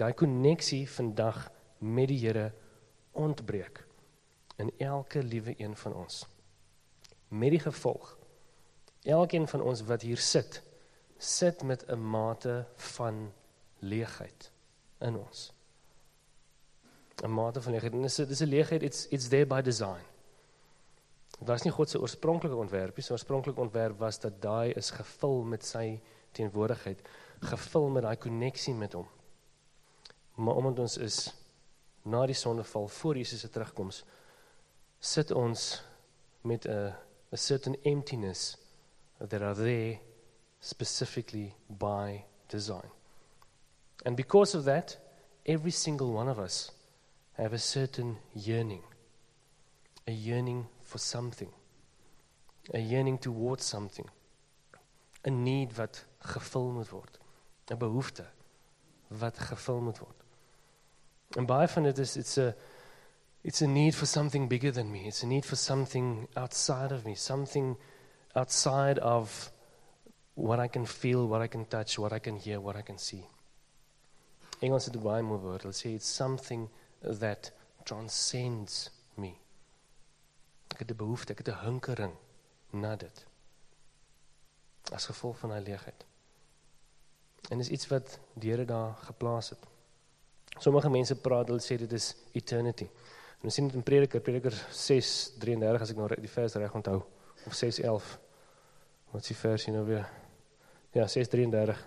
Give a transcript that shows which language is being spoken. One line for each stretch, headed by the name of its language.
Afrikaans: Daai koneksie vandag met die Here ontbreek in elke liewe een van ons. Met die gevolg, elkeen van ons wat hier sit, sit met 'n mate van leegheid in ons. 'n Mate van leegheid. En dis 'n leegheid,
English: it's there by design.
Afrikaans: Dit was nie God se oorspronklike ontwerp nie. Sy oorspronklike ontwerp was dat daai is gevul met sy teenwoordigheid, gevul met daai koneksie met hom. Maar omdat ons is na die sondeval, voor Jesus se terugkoms, sit ons met 'n
English: certain emptiness that are there specifically by design. And because of that, every single one of us have a certain yearning. A yearning for something. A yearning towards something. A need
Afrikaans: wat gevul moet word. 'N behoefte wat gevul moet word. En baie van dit is,
English: it's a need for something bigger than me. It's a need for something outside of me. Something outside of what I can feel, what I can touch, what I can hear, what I can see.
Afrikaans: Engels het 'n baie mooi woord. Hulle sê,
English: it's something that transcends me.
Afrikaans: Ek het 'n behoefte, ek het 'n hunkering na dit. As gevolg van daai leegheid. En is iets wat die Here daar geplaas het. Sommige mense praat, hulle sê dit is eternity. En ons sien dit in Prediker 6:33, as ek nou die vers reg onthou. Of 6:11. Wat is die versie nou weer? Ja, 6:33.